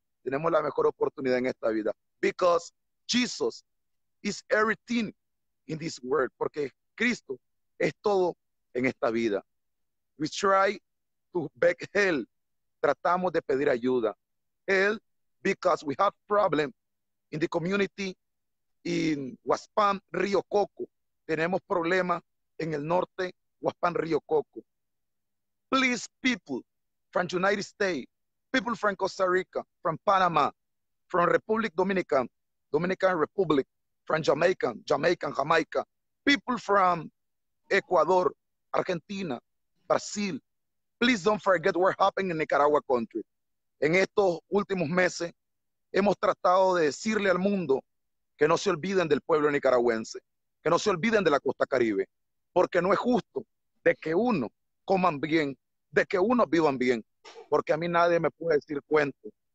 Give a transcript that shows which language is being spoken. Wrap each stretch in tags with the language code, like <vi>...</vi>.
<es>Tenemos la mejor oportunidad en esta vida.</es> <en>Because Jesus is everything in this world.</en> <es>Porque Cristo es todo en esta vida.</es> <en>We try to beg Him.</en> <es>Tratamos de pedir ayuda.</es> <en>Él, because we have problem in the community in Huaspan, Río Coco.</en> <es>Tenemos problema en el norte, Huaspan, Río Coco.</es> <en>Please, people from United States, people from Costa Rica, from Panama, from Republic Dominican, Dominican Republic, from Jamaica, Jamaican, Jamaica, people from Ecuador, Argentina, Brasil, please don't forget what happened in Nicaragua country.</en> <es>En estos últimos meses, hemos tratado de decirle al mundo que no se olviden del pueblo nicaragüense, que no se olviden de la costa caribe, porque no es justo de que uno coman bien, de que uno vivan bien, porque a mí nadie me puede decir cuento.</es>